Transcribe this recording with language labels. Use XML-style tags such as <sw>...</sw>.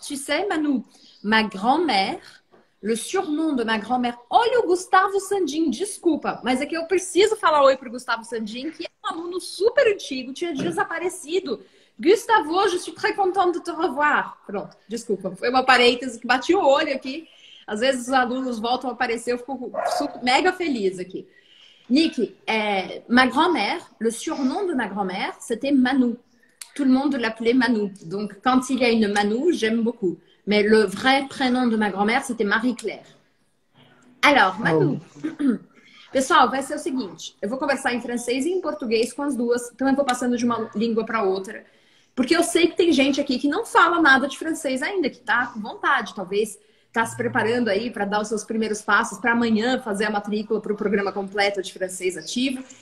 <fr>Tu sais, Manu, ma grand-mère, le surnom de ma grand-mère.</fr> <pt>Olha o Gustavo Sandin, desculpa, mas é que eu preciso falar oi pro Gustavo Sandin, que é um aluno super antigo, tinha desaparecido.</pt> <fr>Gustavo, je suis très content de te revoir.</fr> <pt>Pronto, desculpa, foi uma parêntese que bati o olho aqui. Às vezes os alunos voltam a aparecer, eu fico super, mega feliz aqui.</pt> <fr>Nick, ma grand-mère, le surnom de ma grand-mère, c'était Manu. Tout le monde l'appelait Manu. Donc, quand il y a une Manu, j'aime beaucoup. Mais le vrai prénom de ma grand-mère, c'était Marie-Claire. Alors, Manu. Oh.</fr> <pt>Pessoal, vai ser o seguinte. Eu vou conversar em francês e em português com as duas. Então, eu vou passando de uma língua para outra. Porque eu sei que tem gente aqui que não fala nada de francês ainda, que tá com vontade, talvez. Tá se preparando aí para dar os seus primeiros passos para amanhã fazer a matrícula para o programa completo de francês ativo.</pt>